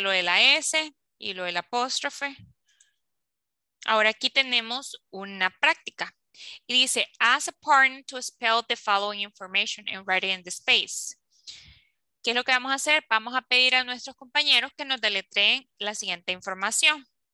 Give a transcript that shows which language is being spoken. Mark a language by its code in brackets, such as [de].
[es] Lo de la S y lo del apóstrofe. Ahora aquí tenemos una práctica. Y dice, [en] ask a partner to spell the following information and write it in the space. [es] ¿Qué es lo que vamos a hacer? Vamos a pedir a nuestros compañeros que nos deletreen la siguiente información.